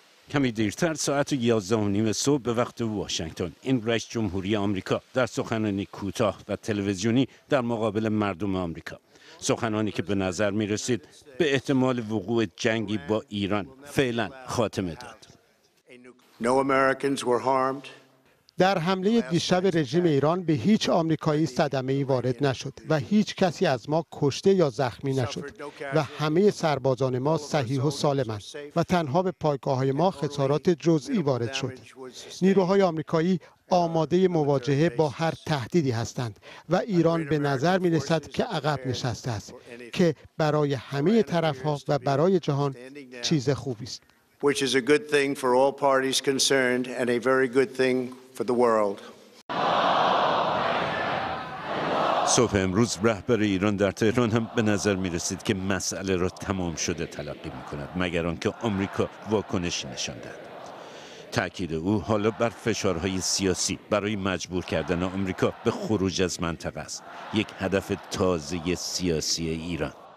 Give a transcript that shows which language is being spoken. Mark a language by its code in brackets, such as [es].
[fa] کمی دیرتر ساعت 11:30 صبح به وقت واشنگتن، این رئیس جمهوری آمریکا در سخنرانی کوتاه و تلویزیونی در مقابل مردم آمریکا، سخنانی که به نظر می‌رسید به احتمال وقوع جنگی با ایران فعلا خاتمه داد. [en] No Americans were harmed. [fa] در حمله دیشب رژیم ایران به هیچ آمریکایی صدمه‌ای وارد نشد و هیچ کسی از ما کشته یا زخمی نشد و همه سربازان ما صحیح و سالمند و تنها به پایگاه‌های ما خسارات جزئی وارد شد. نیروهای آمریکایی آماده مواجهه با هر تهدیدی هستند و ایران به نظر می‌رسد که عقب نشسته است، که برای همه طرف‌ها و برای جهان چیز خوبی است. [en] Which is a good thing for all parties concerned and a very good thing for the world. [fa] صبح امروز رهبر ایران در تهران هم به نظر می‌رسید که مسئله را تمام شده تلقی می‌کند، مگر آنکه آمریکا واکنش نشان دهد. تأکید او حالا بر فشارهای سیاسی برای مجبور کردن آمریکا به خروج از منطقه است، یک هدف تازه سیاسی ایران.